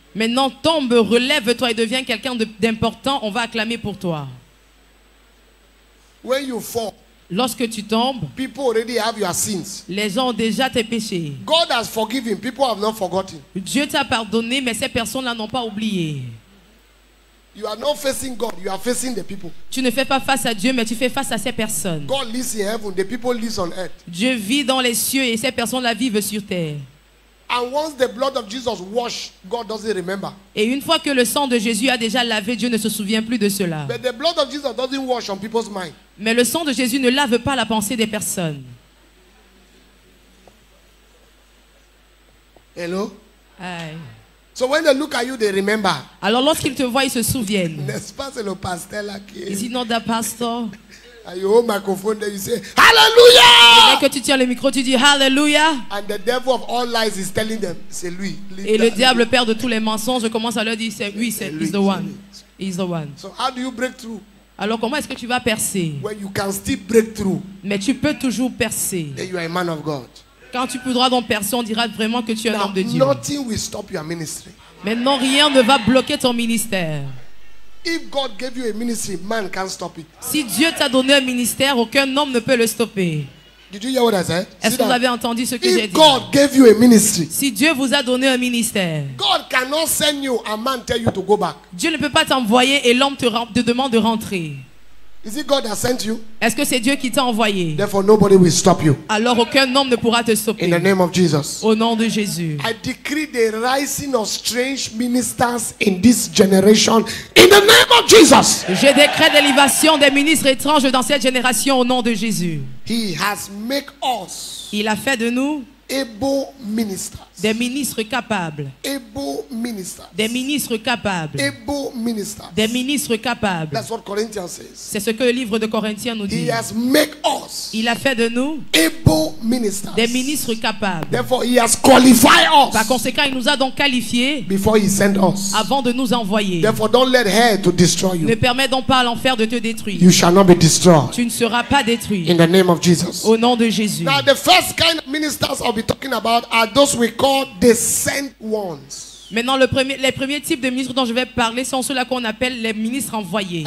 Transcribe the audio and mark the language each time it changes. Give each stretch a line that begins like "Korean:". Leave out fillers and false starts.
French: Maintenant, tombe, relève-toi et deviens quelqu'un d'important. On va acclamer pour toi.
English: When you fall,
French: lorsque tu tombes,
English: people already have your sins.
French: Les gens ont déjà tes péchés.
English: God has forgiven, people have not forgotten.
French: Dieu t'a pardonné, mais ces personnes-là n'ont pas oublié.
English: You are not facing God, you are facing the people.
French: Tu ne fais pas face à Dieu, mais tu fais face à ces personnes.
English: God lives in heaven, the people live on earth.
French: Dieu vit dans les cieux et ces personnes-là vivent sur terre.
English: And once the blood of Jesus washed, God doesn't remember.
French: Et une fois que le sang de Jésus a déjà lavé, Dieu ne se souvient plus de cela.
English: But the blood of Jesus doesn't wash on people's mind.
French: Mais le sang de Jésus ne lave pas la pensée des personnes.
English: Hello? Hi. So when they look at you, they remember.
French: Alors lorsqu'ils te voient, ils se souviennent. N'est-ce pas c'est le pasteur là qui
English: est? Is it not the pastor? And you hold microphone there, you say, Hallelujah!
French: Et que tu tiens le micro, tu dis Hallelujah!
English: And the devil of all lies is telling them,
French: c'est lui. Et le diable père de tous les mensonges commence à leur dire, c'est oui, c'est lui,
English: the one, he's the one. So how do you break through?
French: Alors comment est-ce que tu vas percer?
English: When you can still break through.
French: Mais tu peux toujours percer.
English: Then you are a man of God.
French: Quand tu pourras donc percer, on dira vraiment que tu es un homme de Dieu.
English: Nothing will stop your ministry.
French: Maintenant, rien ne va bloquer ton ministère.
English: If God gave you a ministry, man can't stop it.
French: Si Dieu t'a donné un ministère, aucun homme ne peut le stopper.
English: Did you hear what I said?
French: Est-ce que vous avez entendu ce que
English: if
French: j'ai dit?
English: God gave you a ministry,
French: si Dieu vous a donné un ministère,
English: God cannot send you a man tell you to go back.
French: Dieu ne peut pas t'envoyer et l'homme te demande de rentrer.
English: Is it God that sent you?
French: Est-ce que c'est Dieu qui t'a envoyé?
English: Therefore, nobody will stop you.
French: Alors aucun homme ne pourra te stopper.
English: In the name of Jesus.
French: Au nom de Jésus.
English: I decree the rising of strange ministers in this generation. In the name of Jesus.
French: Je décrète l'élévation des ministres étranges dans cette génération au nom de Jésus.
English: He has made us.
French: Il a fait de nous.
English: Able ministers.
French: Des ministres capables.
English: Able ministers.
French: Des ministres capables.
English: Able ministers.
French: Des ministres capables.
English: That's what Corinthians says.
French: C'est ce que le livre de Corinthiens nous dit.
English: He has made us.
French: Il a fait de nous.
English: Able ministers.
French: Des ministres capables.
English: Therefore, he has qualified us.
French: Par conséquent, il nous a donc qualifiés.
English: Before he sent us.
French: Avant de nous envoyer.
English: Therefore, don't let hell to destroy you.
French: Ne permets donc pas à l'enfer de te détruire.
English: You shall not be destroyed.
French: Tu ne seras pas détruit.
English: In the name of Jesus.
French: Au nom de Jésus.
English: Now, the first kind of ministers I'll be talking about are those we call the sent ones.
French: Maintenant, les premiers types de ministres dont je vais parler sont ceux-là qu'on appelle les ministres envoyés.